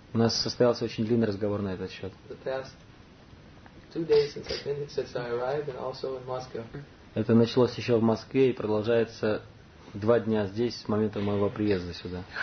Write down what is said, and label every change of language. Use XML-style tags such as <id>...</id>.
<ru>У нас состоялся очень длинный разговор на этот счет.</ru> <en>The past two days since I arrived and also in Moscow.</en> <ru>Это началось еще в Москве и продолжается два дня здесь, с момента моего приезда сюда.</ru>